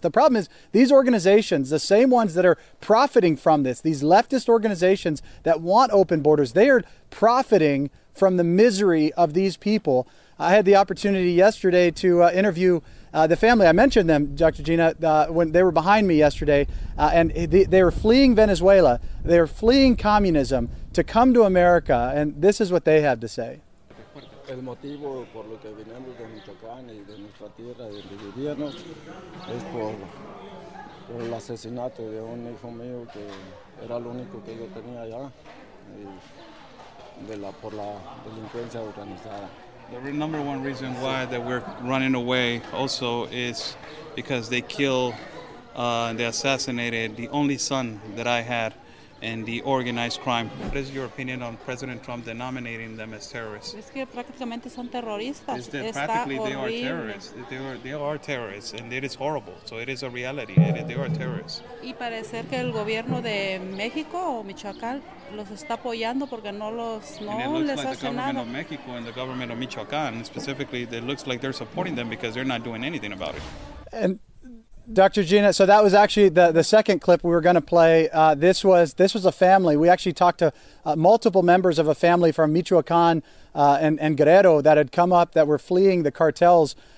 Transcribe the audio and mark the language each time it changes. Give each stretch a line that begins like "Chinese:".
English: The problem is these organizations, the same ones that are profiting from this, these leftist organizations that want open borders, they are profiting from the misery of these people. I had the opportunity yesterday to interview the family. I mentioned them, Dr. Gina, when they were behind me yesterday, and they were fleeing Venezuela. They were fleeing communism to come to America, and this is what they had to say.
Spanish: El motivo por lo que venimos de Michoacán y de nuestra tierra, de donde vivíamos, es por el asesinato de un hijo mío que era el único que yo tenía allá, por la delincuencia organizada.
English: The number one reason why that we're running away also is because they killed, they assassinated the only son that I had in the organized crime. What is your opinion on President Trump denominating them as terrorists?
Spanish: Es que prácticamente son terroristas.
English: Is that practically they are terrorists? They are terrorists, and it is horrible. So it is a reality. They are terrorists.
Spanish: Y parece que el gobierno de México o Michoacán los está apoyando porque no los no les hacen nada.
English: And it looks like the government of Mexico and the government of Michoacán, specifically, it looks like they're supporting them because they're not doing anything about it. And Dr. Gina, so that was actually the second clip we were going to play. This was a family. We actually talked to multiple members of a family from Michoacán and Guerrero that had come up that were fleeing the cartels.